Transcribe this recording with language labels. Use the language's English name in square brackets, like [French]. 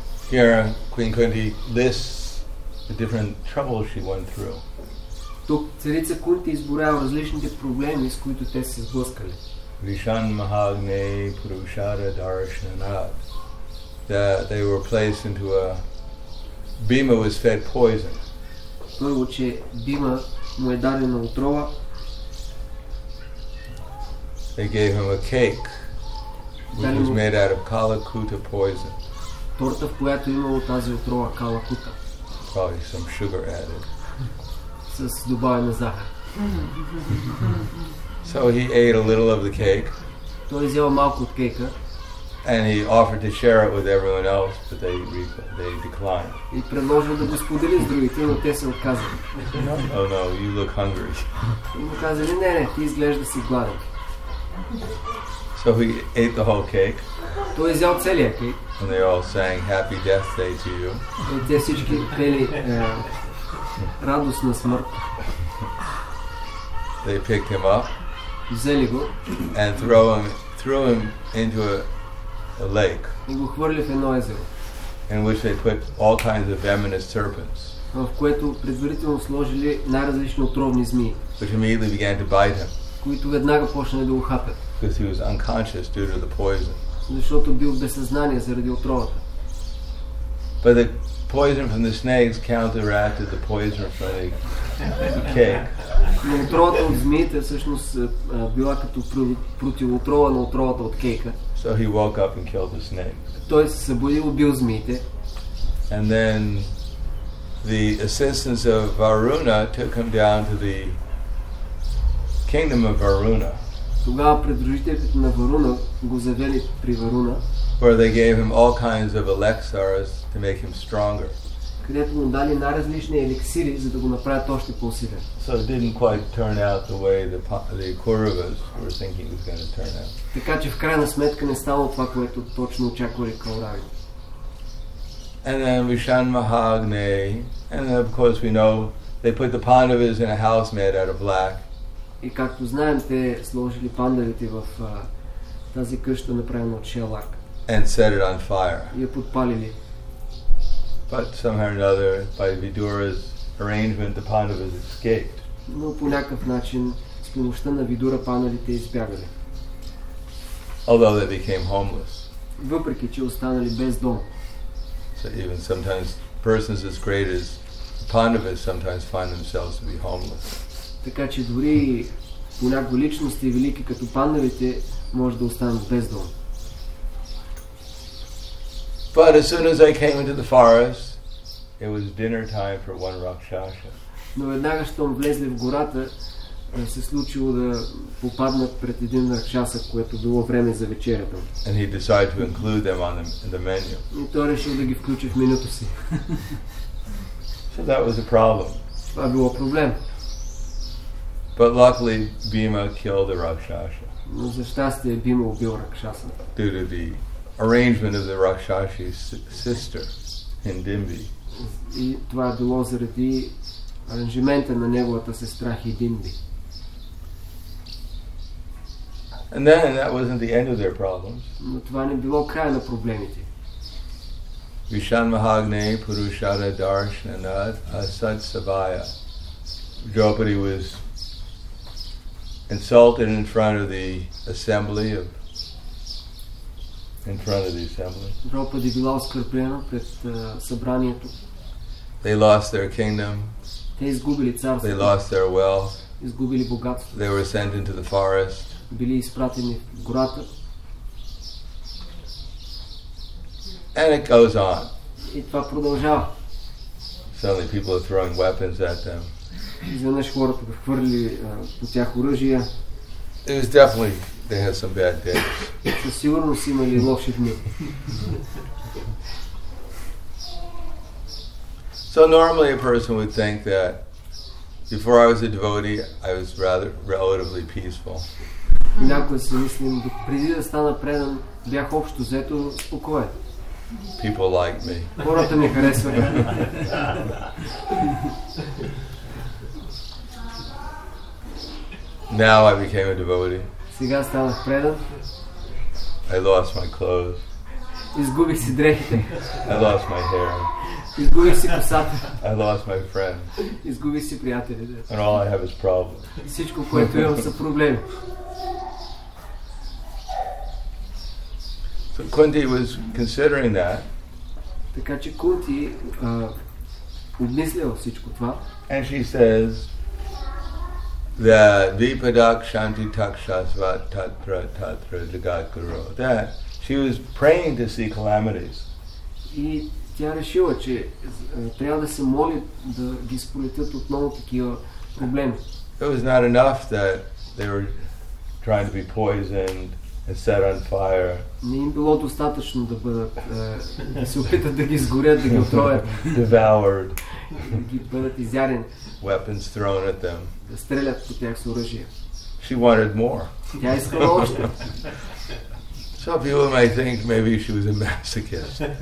[English] Here Queen Kunti lists the different troubles she went through. [Bulgarian] Тук царица Кунти изборява различните проблеми, с които те се сблъскали. [Sanskrit] Vishan Mahagne Purushara Darshanat. [English] That they were placed into a Bhima was fed poison. [Bulgarian] Първо, че Бима му е дадена отрова. [English] They gave him a cake which was made out of Kalakuta poison. [Bulgarian] Торта, в която имало тази отрова Калакута. [English] Probably some sugar added. [Bulgarian] С добавена захар. [English] So he ate a little of the cake. [Bulgarian] Той взел малко от кейка. [English] And he offered to share it with everyone else, but they declined. [Bulgarian] И предложил да го сподели с другите, но те се отказали. [English] Oh no, you look hungry. [Bulgarian] И му казали, не, ти изглежда си гладен. [English] So he ate the whole cake. [Bulgarian] Той взел целия кейк. [English] And they all sang happy death day to you. [Bulgarian] И те всички пели радостна смърт. [English] They picked him up [Bulgarian] взели го, [English] and threw him into a lake [Bulgarian] и го хвърли в едно езеро, [English] in which they put all kinds of venomous serpents, [Bulgarian] в което предварително сложили най-различни отровни змии, [English] which immediately began to bite him, [Bulgarian] които веднага почнали да го хапят, [English] because he was unconscious due to the poison, [Bulgarian] защото бил без съзнание заради отровата. [English] But the poison from the snakes counteracted the poison from the cake. [Bulgarian] Но отровата от змиите всъщност била като противоотрова на отровата от кейка. [English] So he woke up and killed the snake. [Bulgarian] Той се събудил, убил змиите. [English] And then the assistance of Varuna took him down to the kingdom of Varuna. [Bulgarian] Тогава придружителите на Варуна го завели при Варуна. [English] Where they gave him all kinds of elixirs to make him stronger. [Bulgarian] Където му дали най-различни еликсири, за да го направят още по-силен. [English] So it didn't quite turn out the way the Kauravas were thinking it was going to turn out. [Bulgarian] Така че в крайна сметка не стало това, което точно очаквали Кауравите. [English] And then [Sanskrit] Vishan Mahagne, [English] and then of course we know they put the Pandavas in a house made out of black. [Bulgarian] И както знаем, те сложили пандавите в тази къща, направена от шелак. [English] And set it on fire. [Bulgarian] И я подпалили. [English] But somehow or another, by Vidura's arrangement, the Pandavas escaped. [Bulgarian] Но по някакъв начин, с помощта на Видура, пандавите избягали. [English] Although they became homeless. [Bulgarian] Въпреки че останали без дом. [English] So even sometimes persons as great as Pandavas sometimes find themselves to be homeless. [Bulgarian] Така че дори понякога личности велики като пандавите може да останат без дом. [English] But as soon as I came into the forest, it was dinner time for one Rakshasa. [Bulgarian] Но веднага щом влезли в гората, се случило да попаднат пред един Ракшаса, което било време за вечерята. [English] And he decided to include them on the menu. [Bulgarian] И той решил да ги включи в менюто си. [English] So that was a problem. [Bulgarian] Това било проблем. [English] But luckily, Bhima killed the Rakshasa. [Bulgarian] Но за щастие, Бима убил Ракшаса. [English] Due to the arrangement of the Rakshashi's sister in Hindimbi. [Bulgarian] И това е било заради аранжимента на неговата сестра Хидимби. [English] And then that wasn't the end of their problems. [Bulgarian] Но това не било края на проблемите. [Sanskrit] Vishan Mahagne Purushada Darshana Asat Savaya. [English] Draupadi was insulted in front of the assembly of [Bulgarian] Draupadi била оскърблена пред събранието. [English] They lost their kingdom. [Bulgarian] Те изгубили царството. [English] They lost their wealth. [Bulgarian] Изгубили богатството. [English] They were sent into the forest. [Bulgarian] Били изпратени в гората. [English] And it goes on. [Bulgarian] И това продължава. [English] Suddenly people are throwing weapons at them. [Bulgarian] Изведнъж хората хвърли по тях оръжия. [English] It was definitely they had some bad days. [Bulgarian] Със сигурност имали лоши дни. [English] So normally a person would think that before I was a devotee, I was rather relatively peaceful. [Bulgarian] Някой си мислим, преди да стана предан, бях общо взето спокоен. [English] People like me. [Bulgarian] Хората ми харесват. [English] Now I became a devotee. [Bulgarian] Сега станах предан. [English] I lost my clothes. [Bulgarian] Изгубих си дрехите. [English] I lost my hair. [Bulgarian] Изгубих си косата. [English] I lost my friend. [Bulgarian] Изгубих си приятелите. [English] And all I have is problems. [Bulgarian] Всичко, което имам, са проблеми. [English] So Kunti was considering that. [Bulgarian] Така че Кунти обмислял всичко това. [English] And she says that [Sanskrit] Vipadak Shanti Takshasvat Tatra Tatra Jagat Guru. [English] That she was praying to see calamities. [Bulgarian] И тя решила, че трябва да се моли да ги сполетят отново такива проблеми. [English] It was not enough that they were trying to be poisoned and set on fire. [Bulgarian] Не им било достатъчно да бъдат да се опитат да ги сгорят, да ги отроят. [English] Devoured. [Bulgarian] Да ги бъдат изярени. [English] Weapons thrown at them. [Bulgarian] Да стрелят по тях с оръжие. [English] She wanted more. [Bulgarian] Тя искала още. [English] Some people might think maybe she was a masochist.